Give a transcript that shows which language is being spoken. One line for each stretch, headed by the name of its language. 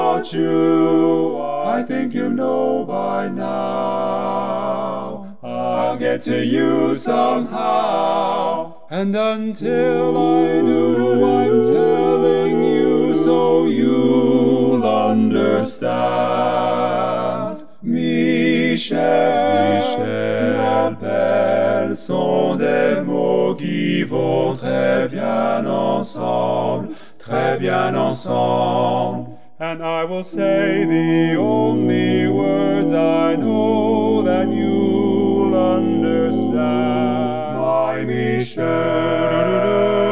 English: You, I think you know by now, I'll get to you somehow, and until I do, I'm telling you so you'll understand.
French: Michelle, Michelle, ma belle, sont des mots qui vont très bien ensemble, très bien ensemble.
English: And I will say the only words I know that you'll understand. My Michelle.